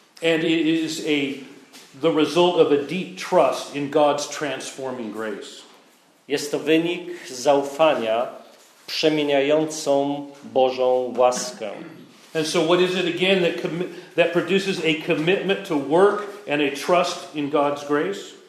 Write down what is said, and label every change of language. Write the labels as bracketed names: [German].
[English] And it is the result of a deep trust in God's transforming grace. [Polish] Jest to wynik zaufania przemieniającą Bożą łaskę. [English] And so what is it again that produces a commitment to work and a trust in God's grace?